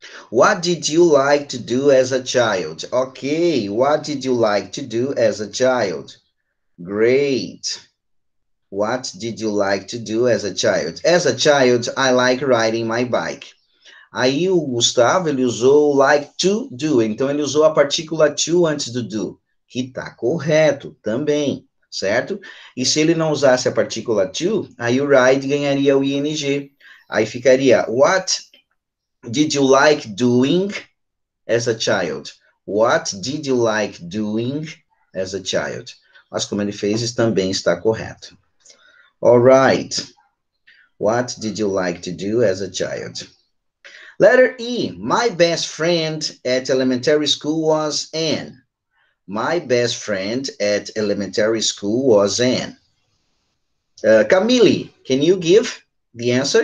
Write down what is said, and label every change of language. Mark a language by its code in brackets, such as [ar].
[en] What did you like to do as a child? Okay, what did you like to do as a child? Great. What did you like to do as a child? As a child, I like riding my bike. [pt] Aí o Gustavo, ele usou o like to do. Então, ele usou a partícula to antes do do. Que tá correto também. Certo? E se ele não usasse a partícula to, aí o ride ganharia o ing. Aí ficaria, [en] what did you like doing as a child? What did you like doing as a child? [pt] Mas como ele fez, isso também está correto. [en] All right. What did you like to do as a child? Letter E. My best friend at elementary school was an... My best friend at elementary school was Anne. Camille, can you give the answer?